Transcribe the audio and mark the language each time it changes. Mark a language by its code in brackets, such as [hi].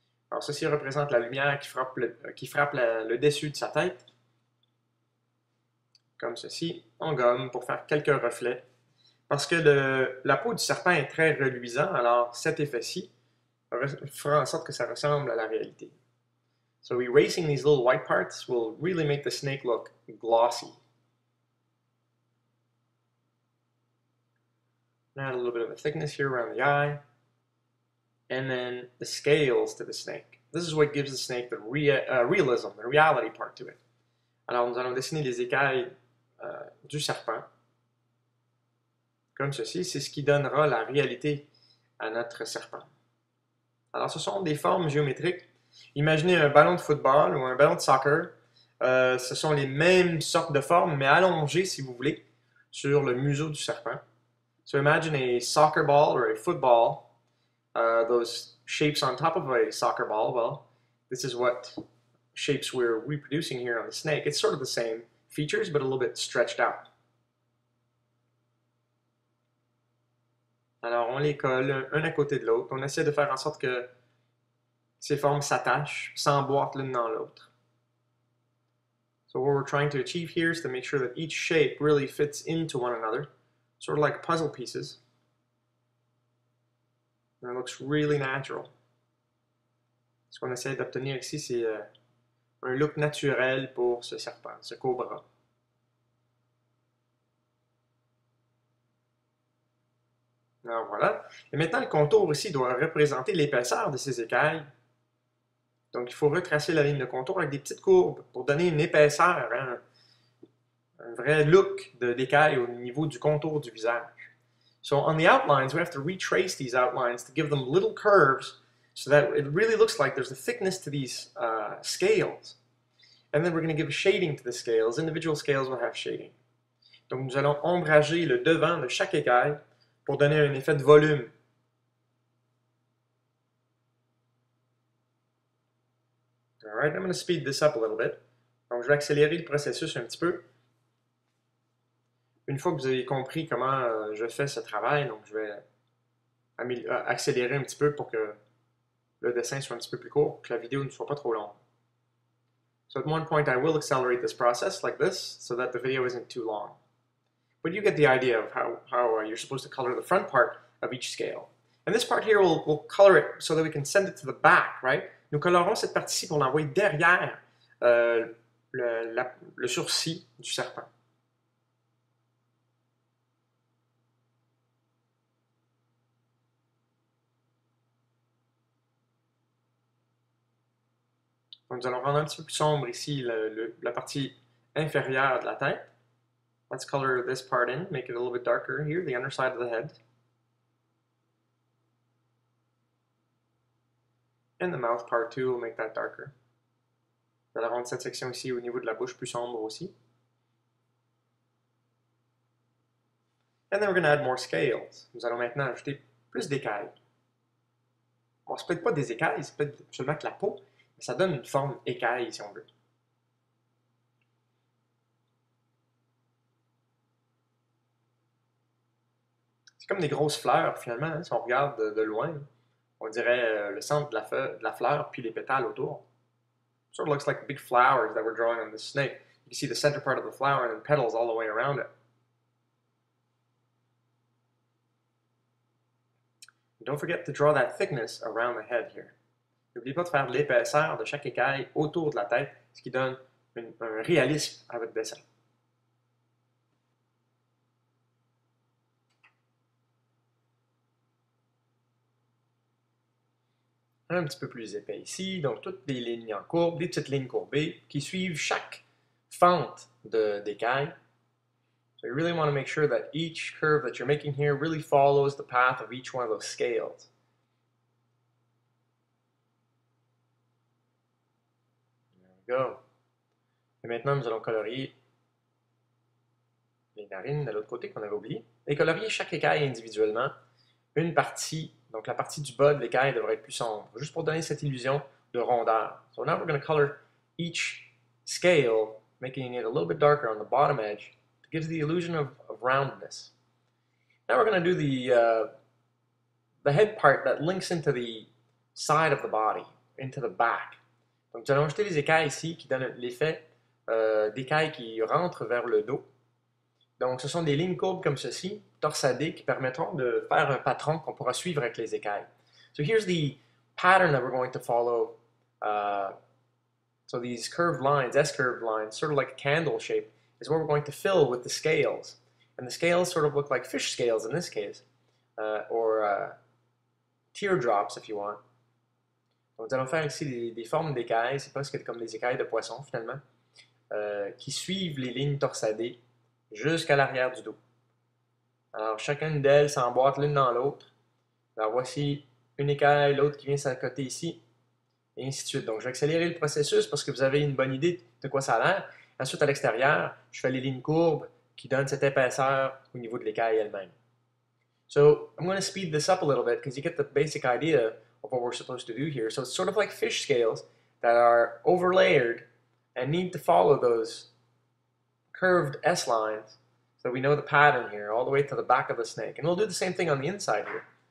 [fr] Alors, ceci représente la lumière qui frappe le dessus de sa tête. Comme ceci, on gomme pour faire quelques reflets. Parce que la peau du serpent est très reluisant, alors cet effet-ci fera en sorte que ça ressemble à la réalité. [en] So erasing these little white parts will really make the snake look glossy. Add a little bit of a thickness here around the eye. And then the scales to the snake. This is what gives the snake the realism, the reality part to it. [fr] Alors, nous allons dessiner les écailles du serpent. Comme ceci, c'est ce qui donnera la réalité à notre serpent. Alors, ce sont des formes géométriques. Imaginez un ballon de football ou un ballon de soccer. Ce sont les mêmes sortes de formes, mais allongées, si vous voulez, sur le museau du serpent. [en] So imagine a soccer ball or a football. Those shapes on top of a soccer ball, well, this is what shapes we're reproducing here on the snake. It's sort of the same features, but a little bit stretched out. [fr] Alors, on les colle un à côté de l'autre. On essaie de faire en sorte que ces formes s'attachent, s'emboîtent l'une dans l'autre. [en] So what we're trying to achieve here is to make sure that each shape really fits into one another, sort of like puzzle pieces. And it looks really natural. [fr] Ce qu'on essaie d'obtenir ici, c'est un look naturel pour ce serpent, ce cobra. Alors voilà. Et maintenant, le contour ici doit représenter l'épaisseur de ces écailles. Donc, il faut retracer la ligne de contour avec des petites courbes pour donner une épaisseur, hein, un vrai look d'écaille au niveau du contour du visage. [en] So on the outlines, we have to retrace these outlines to give them little curves so that it really looks like there's a thickness to these scales. And then we're going to give shading to the scales. Individual scales will have shading. [fr] Donc nous allons ombrager le devant de chaque écaille pour donner un effet de volume. [en] All right, I'm going to speed this up a little bit. [fr] Donc je vais accélérer le processus un petit peu. Une fois que vous avez compris comment je fais ce travail, donc je vais accélérer un petit peu pour que le dessin soit un petit peu plus court, que la vidéo ne soit pas trop longue. [en] So at one point I will accelerate this process like this, so that the video isn't too long. But you get the idea of how you're supposed to color the front part of each scale. And this part here, we'll color it so that we can send it to the back, right? [fr] Nous colorons cette partie-ci pour l'envoyer derrière le sourcil du serpent. Donc, nous allons rendre un petit peu plus sombre ici la partie inférieure de la tête. [en] Let's color this part in, make it a little bit darker here, the underside of the head. And the mouth part too, we'll make that darker. [fr] Nous allons rendre cette section ici au niveau de la bouche plus sombre aussi. [en] And then we're going to add more scales. [fr] Nous allons maintenant ajouter plus d'écailles. Bon, c'est peut-être pas des écailles, c'est peut-être seulement que la peau. Ça donne une forme écaille, si on veut. C'est comme des grosses fleurs, finalement, hein, si on regarde de loin. On dirait le centre de la fleur, puis les pétales autour. [en] Sort of looks like big flowers that we're drawing on the snake. You can see the center part of the flower and then petals all the way around it. And don't forget to draw that thickness around the head here. [fr] N'oubliez pas de faire l'épaisseur de chaque écaille autour de la tête, ce qui donne un réalisme à votre dessin. Un petit peu plus épais ici, donc toutes des lignes en courbe, des petites lignes courbées qui suivent chaque fente d'écaille. [en] So you really want to make sure that each curve that you're making here really follows the path of each one of those scales. There we go. [fr] Et maintenant, nous allons colorier les narines de l'autre côté qu'on avait oublié. Et colorier chaque écaille individuellement. Une partie, donc la partie du bas de l'écaille devrait être plus sombre, juste pour donner cette illusion de rondeur. [en] So now we're going to color each scale, making it a little bit darker on the bottom edge. It gives the illusion of roundness. Now we're going to do the head part that links into the side of the body, into the back. [fr] Donc nous allons ajouter les écailles ici qui donnent l'effet d'écailles qui rentrent vers le dos. Donc, ce sont des lignes courbes comme ceci, torsadées, qui permettront de faire un patron qu'on pourra suivre avec les écailles. [en] So here's the pattern that we're going to follow. So these curved lines, S-curved lines, sort of like a candle shape, is what we're going to fill with the scales. And the scales sort of look like fish scales in this case, or teardrops if you want. [fr] Donc, nous allons faire ici des formes d'écailles, c'est presque comme des écailles de poisson finalement. Qui suivent les lignes torsadées jusqu'à l'arrière du dos. Alors, chacune d'elles s'emboîte l'une dans l'autre. Alors, voici une écaille, l'autre qui vient s'accoter ici, et ainsi de suite. Donc, je vais accélérer le processus parce que vous avez une bonne idée de quoi ça a l'air. Ensuite, à l'extérieur, je fais les lignes courbes qui donnent cette épaisseur au niveau de l'écaille elle-même. [en] So, I'm going to speed this up a little bit because you get the basic idea of what we're supposed to do here. So, it's sort of like fish scales that are overlayered and need to follow those curved S lines so we know the pattern here all the way to the back of the snake. And we'll do the same thing on the inside here.